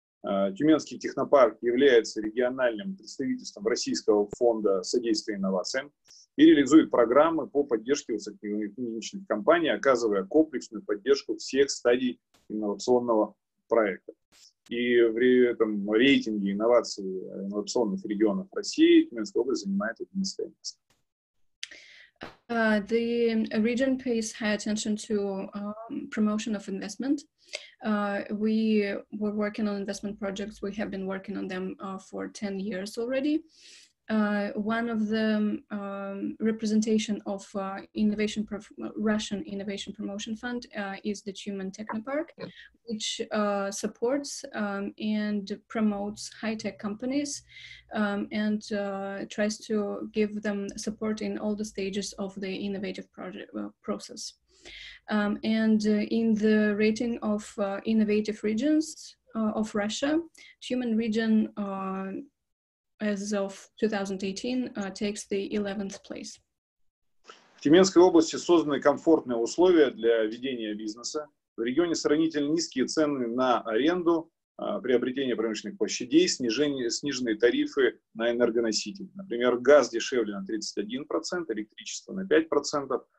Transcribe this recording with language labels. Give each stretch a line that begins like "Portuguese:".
Russian: Тюменский технопарк является региональным представительством Российского фонда содействия инновациям и реализует программы по поддержке высококлиничных компаний, оказывая комплексную поддержку всех стадий инновационного проекта. И в этом рейтинге инноваций инновационных регионов России Тюменская область занимает 11 место.
English: The region pays high attention to promotion of investment. We were working on investment projects. We have been working on them for 10 years already. One of the representation of innovation Russian Innovation Promotion Fund is the Tumen Technopark, which supports and promotes high-tech companies and tries to give them support in all the stages of the innovative process. And in the rating of innovative regions of Russia, Tumen region as of 2018, takes the 11th place.
Russian: В Тюменской области созданы комфортные условия для ведения бизнеса. В регионе сравнительно низкие цены на аренду, приобретение промышленных площадей, сниженные тарифы на энергоноситель. Например, газ дешевле на 31%, электричество на 5%,